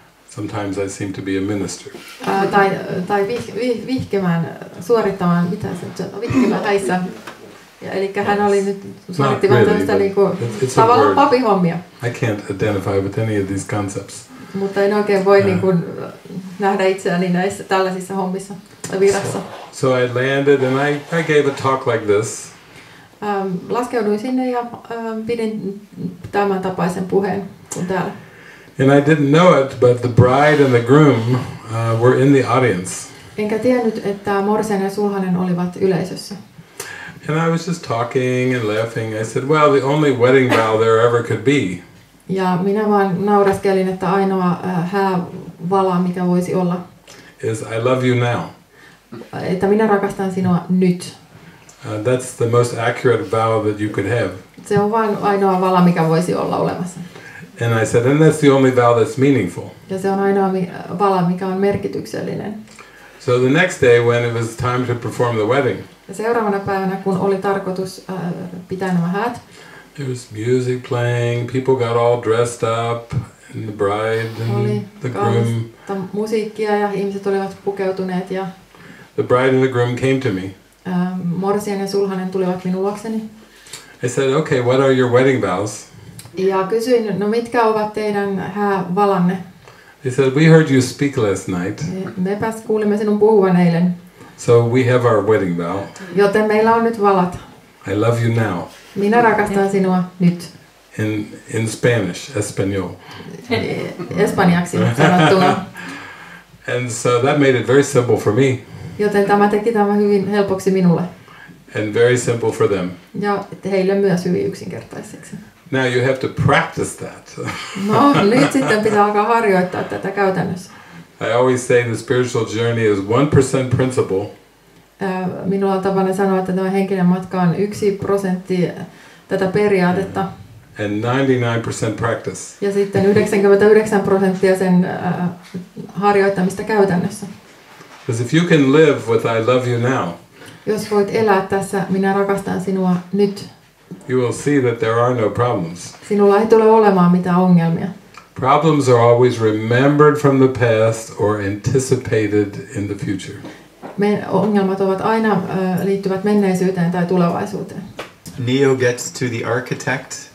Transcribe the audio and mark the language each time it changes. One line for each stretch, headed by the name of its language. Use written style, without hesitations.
English: Sometimes I seem to be a minister.
Finnish: Tai vihkemään suorittamaan mitä se on vihkemään häissä. Ja elikkä hän oli nyt suoritti vaan tämmöistä niinku tavallaan papihommia.
English: I can't identify with any of these concepts.
Finnish: Mutta en oikein voi niinku nähdä itseäni näissä tällaisissa hommissa tai virassa.
English: So I landed and I gave a talk like this.
Finnish: Laskeuduin sinne ja pidin tämän tapaisen puheen kuin täällä.
English: And I didn't know it, but the bride and the groom were in the audience.
Finnish: Enkä tiennyt, että morsian ja sulhanen olivat yleisössä.
English: And I was just talking and laughing. I said, well, the only wedding vow there ever could be.
Finnish: Ja minä vaan nauraskelin, että ainoa häävala, mikä voisi olla.
English: Is I love you now.
Finnish: Että minä rakastan sinua nyt.
English: That's the most accurate vow that you could have.
Finnish: Se on vain ainoa vala, mikä voisi olla olemassa.
English: And I said, and that's the only vow that's meaningful.
Finnish: Ja se on ainoa vala, mikä on merkityksellinen.
English: So the next day, when it was time to perform the wedding.
Finnish: Ja seuraavana päivänä, kun oli tarkoitus pitää nämä häät.
English: There was music playing, people got all dressed up, and the bride and the groom.
Finnish: Oli musiikkia ja ihmiset olivat pukeutuneet ja.
English: The bride and the groom came to me.
Finnish: Morsian ja sulhanen tulivat minun luokseni.
English: I said, okay, what are your wedding vows?
Finnish: Ja kysyin, no mitkä ovat teidän häävalanne?
English: They said, we heard you speak last night.
Finnish: Mepäs kuulimme sinun puhuvan eilen.
English: So we have our wedding vow.
Finnish: Joten meillä on nyt valat.
English: I love you now.
Finnish: Minä rakastan sinua nyt.
English: In Spanish, Espanol.
Finnish: Espanjaksi sanottuna.
English: And so that made it very simple for me.
Finnish: Joten tämä teki tämän hyvin helpoksi minulle.
English: And very simple for them.
Finnish: Ja heille myös hyvin yksinkertaiseksi.
English: Now you have to practice that.
Finnish: No, nyt sitten pitää alkaa harjoittaa tätä käytännössä.
English: I always say the spiritual journey is 1% principle.
Finnish: Minulla on tapana sanoa, että tämä henkinen matka on 1% tätä periaatetta.
English: Yeah. And 99% practice.
Finnish: Ja sitten 99% sen harjoittamista käytännössä.
English: Because if you can live with I love you now.
Finnish: Jos voit elää tässä, minä rakastan sinua nyt.
English: You will see that there are no problems.
Finnish: Sinulla ei tule olemaan mitään ongelmia.
English: Problems are always remembered from the past or anticipated in the future.
Finnish: Ongelmat ovat aina liittyvät menneisyyteen tai tulevaisuuteen.
English: Neo gets to the architect.